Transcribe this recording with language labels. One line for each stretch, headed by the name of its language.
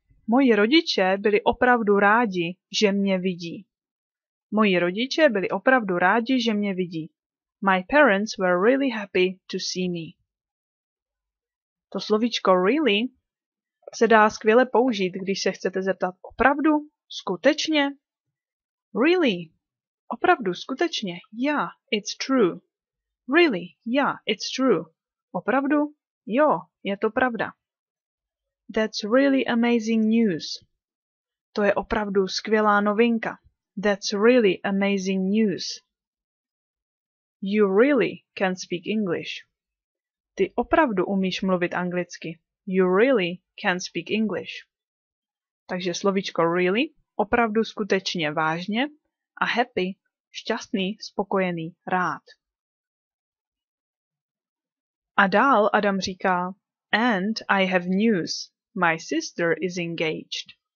Czech: Moji rodiče byli opravdu rádi, že mě vidí. Moji rodiče byli opravdu rádi, že mě vidí.
English: My parents were really happy to see me.
Czech: To slovíčko really se dá skvěle použít, když se chcete zeptat opravdu, skutečně.
English: Really,
Czech: opravdu, skutečně,
English: yeah, it's true. Really, yeah, it's true.
Czech: Opravdu, jo, je to pravda.
English: That's really amazing news.
Czech: To je opravdu skvělá novinka.
English: That's really amazing news. You really can speak English.
Czech: Ty opravdu umíš mluvit anglicky.
English: You really can speak English.
Czech: Takže slovíčko really, opravdu skutečně vážně, a happy, šťastný, spokojený, rád. A dál Adam říká,
English: and I have news. My sister is engaged.